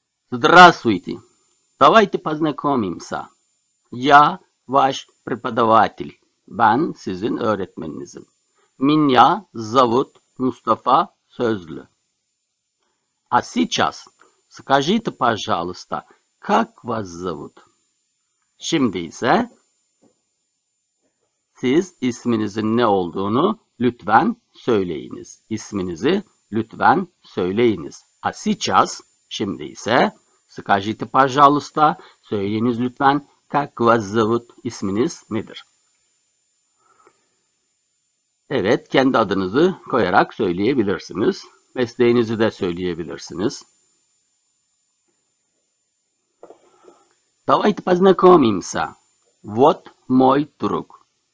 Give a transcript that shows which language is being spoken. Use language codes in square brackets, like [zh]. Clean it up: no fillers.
[ru] Здравствуйте. Давайте познакомимся. Я ваш преподаватель. [tr] Ben sizin öğretmeninizim. [ru] Minya zavut [tr] Mustafa Sözlü. [ru] A сейчас, скажите, пожалуйста, как вас зовут? [tr] Şimdi ise siz isminizin ne olduğunu lütfen söyleyiniz. İsminizi lütfen söyleyiniz. [ru] A сейчас, [tr] şimdi ise [ru] скажите, пожалуйста, [tr] söyleyiniz lütfen, [ru] как вас зовут? [tr] İsminiz nedir? Evet, kendi adınızı koyarak söyleyebilirsiniz. Mesleğinizi de söyleyebilirsiniz. [ru] Давайте познакомимся. Вот мой друг.